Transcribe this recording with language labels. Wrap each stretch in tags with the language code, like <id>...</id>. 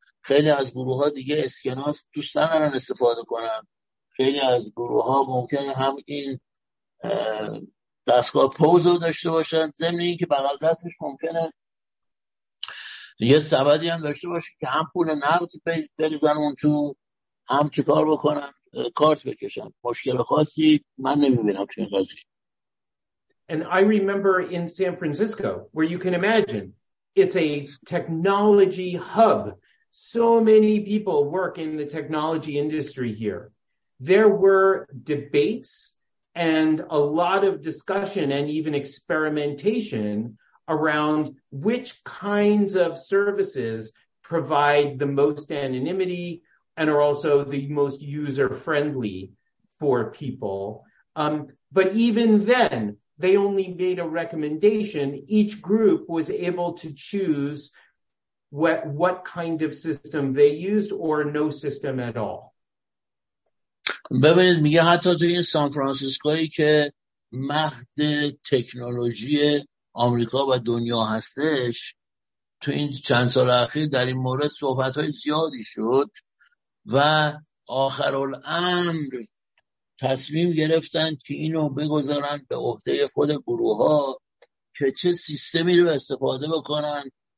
<fa>خیلی از گروه ها دیگه اسکناس دوست ندارن استفاده کنن، خیلی از گروه ها ممکنه هم این دستگاه پوز رو داشته باشن، ضمن این که بغل دستش ممکنه یه سبدی هم داشته باشه که هم پول نقد بریزن اون تو، هم چه کار بکنن، کارت بکشن. مشکل خاصی من نمیبینم تو این قضیه.</fa> <en>And I remember in San Francisco, where you can imagine, it's a technology hub. So many people work in the technology industry here. There were debates and a lot of discussion and even experimentation around which kinds of services provide the most anonymity and are also the most user-friendly for people. But even then, they only made a recommendation. Each group was able to choose what kind of system they used or no system at all.</en> <fa>ببینید میگه حتی تو این سان فرانسیسکویی که مهد تکنولوژی آمریکا و دنیا هستش، تو این چند سال اخیر در این مورد صحبت‌های زیادی شد و آخرالامر تصمیم گرفتن که اینو بگذارن به عهده خود گروه‌ها که چه سیستمی رو استفاده بکنن.</fa>